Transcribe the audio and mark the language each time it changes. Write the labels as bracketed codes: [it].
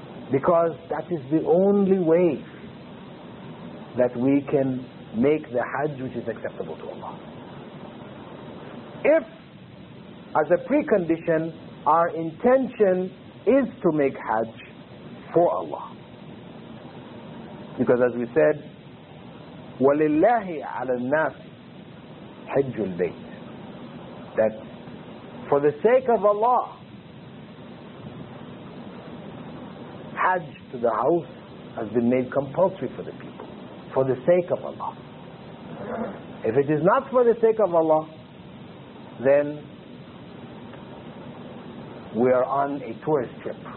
[en] Because that is the only way that we can make the Hajj which is acceptable to Allah. If, as a precondition, our intention is to make Hajj for Allah. Because as we said, [ar] وَلِلَّهِ عَلَى النَّاسِ حَجُّ الْبَيْتِ. [en] That for the sake of Allah, Hajj to the house has been made compulsory for the people. For the sake of Allah. If it is not for the sake of Allah, then we are on a tourist trip.